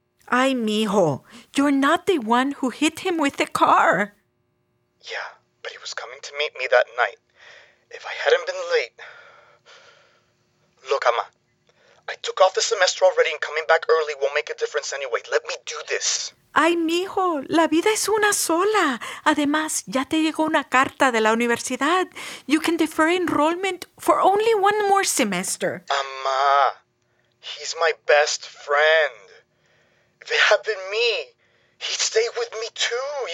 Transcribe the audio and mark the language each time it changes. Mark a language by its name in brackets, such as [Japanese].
[Spanish] Ay, mijo, [English] you're not the one who hit him with the car. Yeah, but he was coming to meet me that night. If I hadn't been late... Look, mamá. I took off the semester already and coming back early won't make a difference anyway. Let me do this. [Spanish] Ay, mijo, la vida es una sola. Además, ya te llegó una carta de la universidad. [English] You can defer enrollment for only one more semester. Mamá, he's my best friend. If it had been me, he'd stay with me too.